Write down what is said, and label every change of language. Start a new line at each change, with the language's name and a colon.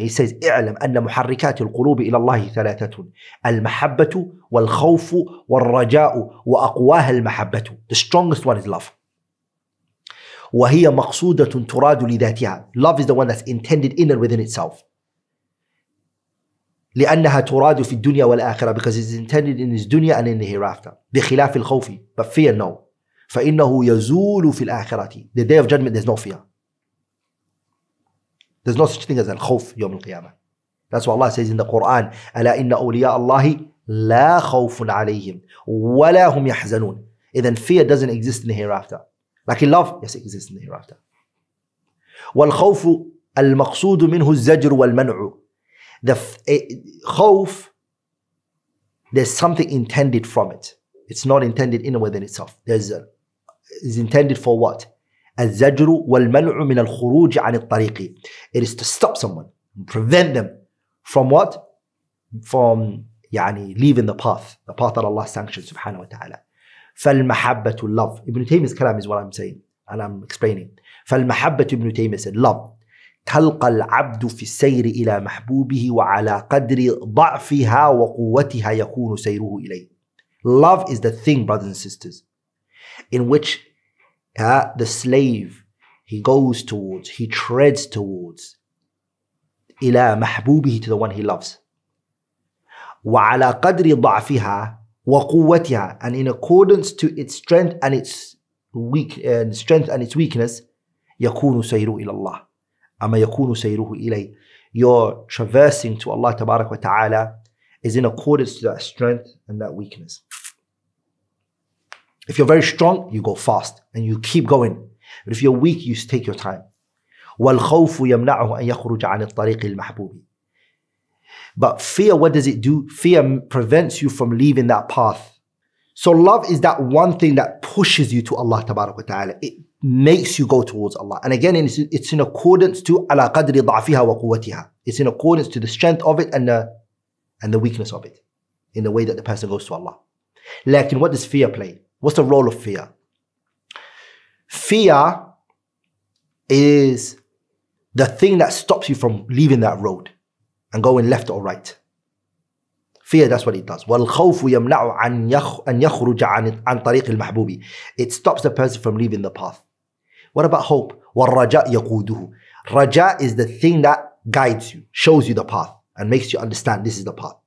English: He says,
Arabic: اعلم أن محركات القلوب إلى الله ثلاثة المحبة والخوف والرجاء وأقواها المحبة.
English: The strongest one is love.
Arabic: وهي مقصودة تراد لذاتها.
English: Love is the one that's intended in and within itself.
Arabic: لأنها تراد في الدنيا والآخرة,
English: because it's intended in his dunya and in the hereafter.
Arabic: بخلاف الخوف,
English: but fear no.
Arabic: فإنه يزول في الآخرة.
English: The day of judgment, there's no fear. There's no such thing as al-khawf
Arabic: يوم القيامة.
English: That's what Allah says in the Qur'an.
Arabic: ألا إن أولياء الله لا خوف عليهم ولا هم يحزنون.
English: إذن fear doesn't exist in the hereafter. Like in love, yes, it exists in the hereafter.
Arabic: والخوف المقصود منه الزجر والمنع.
English: The khawf, there's something intended from it. It's not intended in and within itself. It's intended for what?
Arabic: الزجر والمنع من الخروج عن الطريق.
English: It is to stop someone, prevent them from what? From
Arabic: يعني
English: leaving the path that Allah sanctions, subhanahu wa ta'ala.
Arabic: فالمحبة love.
English: Ibn Taymiyyah's kalam is what I'm saying and I'm explaining. فالمحبة Ibn Taymiyyah said love.
Arabic: تلقى العبد في السير إلى محبوبه وعلى قدر ضعفها وقوتها يكون سيره إليه.
English: Love is the thing, brothers and sisters, in which the slave, he goes towards, he treads towards,
Arabic: إلى محبوبه,
English: to the one he loves.
Arabic: وعلى قدر ضعفها وقوتها,
English: and in accordance to its strength and its weakness,
Arabic: يكون سيره إلى الله. أما يكون سيره إلي.
English: Your traversing to Allah تبارك وتعالى is in accordance to that strength and that weakness. If you're very strong, you go fast and you keep going. But if you're weak, you take your time.
Arabic: والخوف يمنعه أن يخرج عن الطريق المحبوب.
English: But fear, what does it do? Fear prevents you from leaving that path. So love is that one thing that pushes you to Allah تبارك وتعالى. It makes you go towards Allah. And again, it's in accordance to
Arabic: على قدر ضعفها وقوتها.
English: It's in accordance to the strength of it and the weakness of it in the way that the person goes to Allah. لكن what does fear play? What's the role of fear? Fear is the thing that stops you from leaving that road and going left or right. Fear, that's what it does.
Arabic: والخوف يمنع أن يخرج عن طريق المحبوب.
English: It stops the person from leaving the path. What about hope?
Arabic: والرجاء يقوده.
English: رجاء is the thing that guides you, shows you the path, and makes you understand this is the path.